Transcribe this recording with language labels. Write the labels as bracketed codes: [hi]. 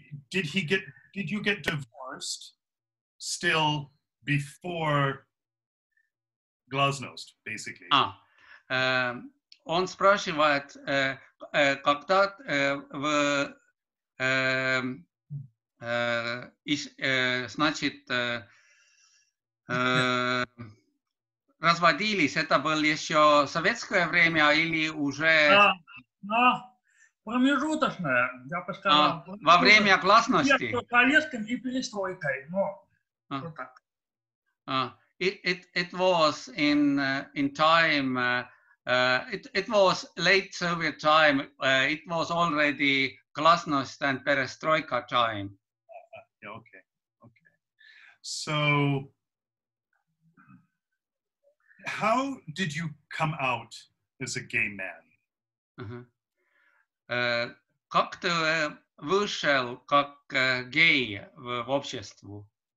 [en] Did you get divorced still before Glasnost, basically? [ru] Он спрашивает, когда вы разводились, это было еще советское время или уже... Да, промежуточное, я бы сказал. Во время гласности? Между Советским и Перестройкой, но [en] It was in time, it was late Soviet time, it was already Glasnost and Perestroika time. Okay. So, how did you come out as a gay man? [ru] Как ты вышел как гей в обществу?